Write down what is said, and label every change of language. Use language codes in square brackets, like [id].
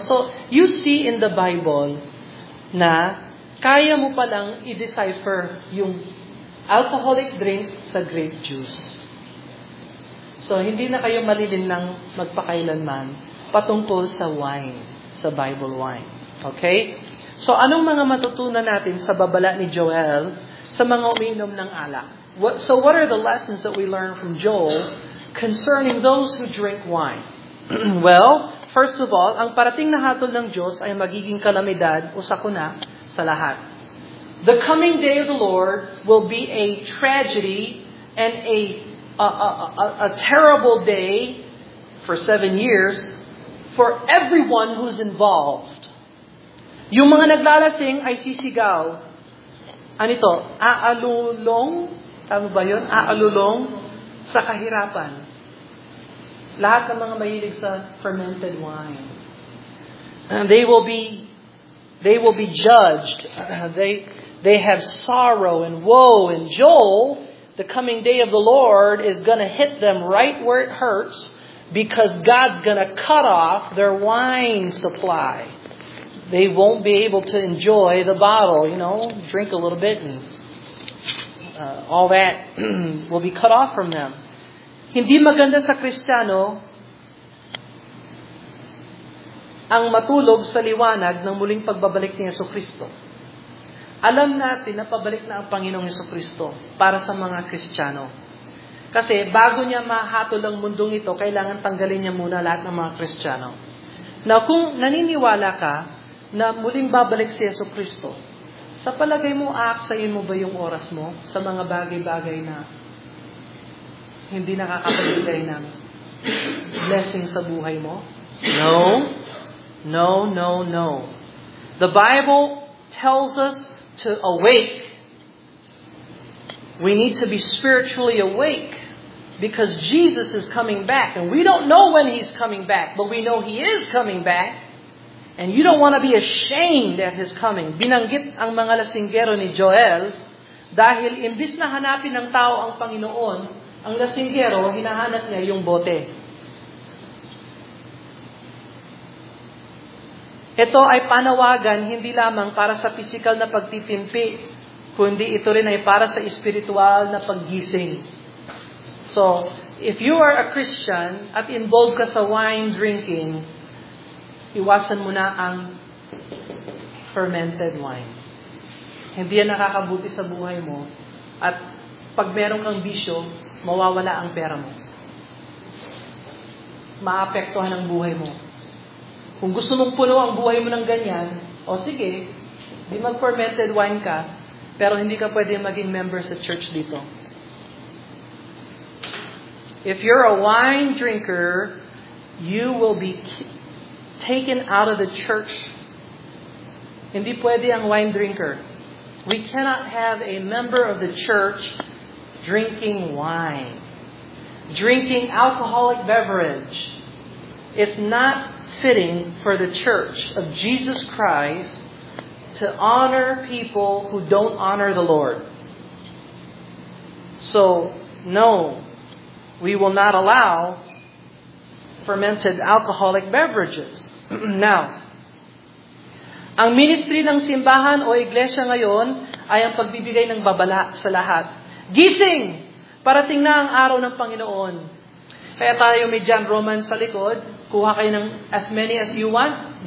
[en] So, you see in the Bible [tl] na kaya mo palang [en] i-decipher yung alcoholic drink sa grape juice. [tl] So, hindi na kayo malilinlang magpakailanman patungkol sa wine, sa Bible wine. Okay? So, anong mga matutunan natin sa babala ni Joel sa mga uminom ng alak? [en] So, what are the lessons that we learn from Joel concerning those who drink wine? Well, first of all, [tl] ang parating na hatol ng Diyos ay magiging kalamidad o sakuna sa lahat. [en] The coming day of the Lord will be a tragedy and a terrible day for 7 years for everyone who's involved. [tl] Yung mga naglalasing ay sisigaw. Ano ito? Aalulong? Tama ba yun? Aalulong sa kahirapan. Lahat ng mga mahilig sa fermented wine. [en] And they will be judged. They have sorrow and woe. And Joel, the coming day of the Lord, is going to hit them right where it hurts because God's going to cut off their wine supply. They won't be able to enjoy the bottle, you know, drink a little bit and all that will be cut off from them. [tl] Hindi maganda sa Kristiyano ang matulog sa liwanag ng muling pagbabalik ni Yesu Kristo. Alam natin na pabalik na ang Panginoong Hesukristo para sa mga Kristiyano. Kasi bago niya mahatol ang mundong ito, kailangan tanggalin niya muna lahat ng mga Kristiyano. Na kung naniniwala ka na muling babalik si Jesucristo, sa palagay mo, aaksayin mo ba yung oras mo sa mga bagay-bagay na hindi nakakapagbigay ng blessing sa buhay mo? [en] No. No, no, no. The Bible tells us to awake. We need to be spiritually awake because Jesus is coming back. And we don't know when He's coming back, but we know He is coming back. And you don't want to be ashamed at His coming. [tl] Binanggit ang mga lasinggero ni Joel, dahil imbis na hanapin ng tao ang Panginoon, ang lasinggero, hinahanap niya yung bote. Ito ay panawagan hindi lamang para sa physical na pagtitimpi, kundi ito rin ay para sa espiritual na paggising. [en] So, if you are a Christian at involved ka sa wine drinking, [tl] iwasan mo na ang [en] fermented wine. [tl] Hindi yan nakakabuti sa buhay mo, at pag meron kang bisyo, mawawala ang pera mo. Maapektuhan ang buhay mo. Kung gusto mong puno ang buhay mo ng ganyan, o sige, di mag-fermented wine ka, pero hindi ka pwede maging member sa church dito. [en] If you're a wine drinker, you will be taken out of the church. [tl] Hindi pwede ang wine drinker. [en] We cannot have a member of the church drinking wine. Drinking alcoholic beverage. It's not fitting for the church of Jesus Christ to honor people who don't honor the Lord. So, no, we will not allow fermented alcoholic beverages. [tl] Now, ang ministry ng simbahan o iglesia ngayon ay ang pagbibigay ng babala sa lahat. Gising! Parating na ang araw ng Panginoon. Kaya tayo may John Roman sa likod. Kuha kayo ng [en] as many as you want.